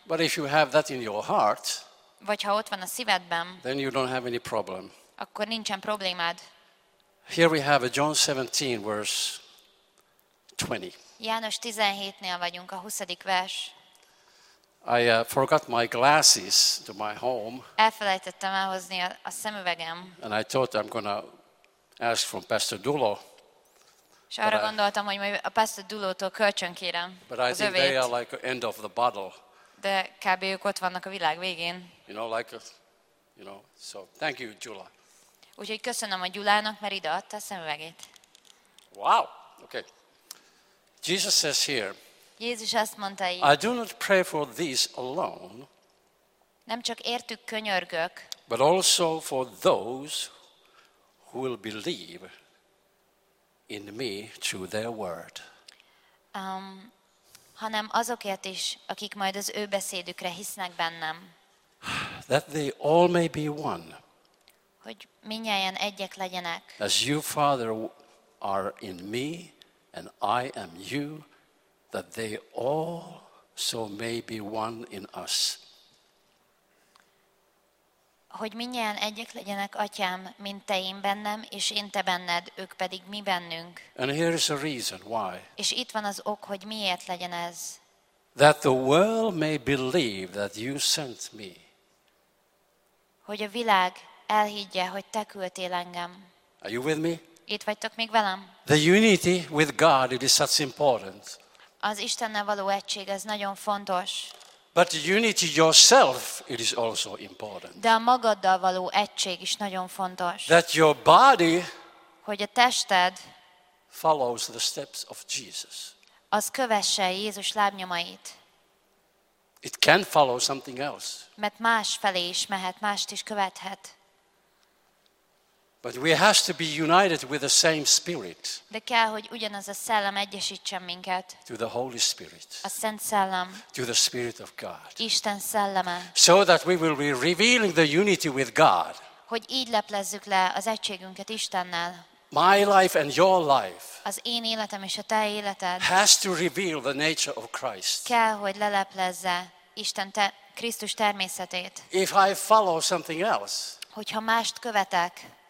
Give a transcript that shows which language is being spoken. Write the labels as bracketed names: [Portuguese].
[English] But if you have that in your heart. [Hungarian] Vagy ha ott van a szívedben. [English] Then you don't have any problem. [Hungarian] Akkor nincsen problémád. [English] Here we have a John 17 verse 20. [Hungarian] János 17-nél vagyunk, a 20. vers. [English] I forgot my glasses to my home. [Hungarian] Elfelejtettem elhozni a szemüvegem. [English] And I thought I'm gonna ask from Pastor Dulo. [Hungarian] És arra gondoltam, hogy majd a Pastor Dulótól kölcsön kérem. [English] But I think they are like end of the bottle. [Hungarian] De kb. Ők ott vannak a világ végén. [English] You know, like, you know. So thank you, Gyula. [Hungarian] Úgyhogy köszönöm a Gyulának, mert ide adta a szemüvegét. [English] Wow. Okay. Jesus says here. [Hungarian] Jézus azt mondta így, [English] I do not pray for these alone. [Hungarian] Nem csak értük könyörgök, [English] but also for those who will believe in me through their word. [Hungarian] Hanem azokért is, akik majd az ő beszédükre hisznek bennem. [English] That they all may be one. [Hungarian] Hogy mindnyájan egyek legyenek. [English] As you, Father, are in me and I am you. That they all so may be one in us. [Hungarian] Hogy mindnyájan egyek legyenek, Atyám, mint te én bennem, és én te benned, ők pedig mi bennünk. [English] And here is a reason why. [Hungarian] És itt van az ok, hogy miért legyen ez. [English] That the world may believe that you sent me. [Hungarian] Hogy a világ elhiggye, hogy te küldtél engem. [English] Are you with me? [Hungarian] Itt vagytok még velem? [English] The unity with God, it is such important. [Hungarian] Az Istennel való egység, ez nagyon fontos. [English] But unity yourself, it is also important. [Hungarian] De a magaddal való egység is nagyon fontos. [English] That your body, [Hungarian] hogy a tested [English] follows the steps of Jesus. [Hungarian] Az kövesse Jézus lábnyomait. [English] It can follow something else. [Hungarian] Mert más felé is mehet, mást is követhet. [English] But we have to be united with the same spirit. [Hungarian] De kell, hogy ugyanaz a szellem egyesítsen minket. [English] To the Holy Spirit. [Hungarian] A Szent Szellem. [English] To the Spirit of God. [Hungarian] Isten szelleme. [English] So that we will be revealing the unity with God. [Hungarian] Hogy így leplezzük le az egységünket Istennel. [English] My life and your life. [Hungarian] Az én életem és a te életed. [English] Has to reveal the nature of Christ. [Hungarian] Kell, hogy leleplezze Isten Krisztus természetét. [English] If I follow something else. [Hungarian] Hogyha mást követek.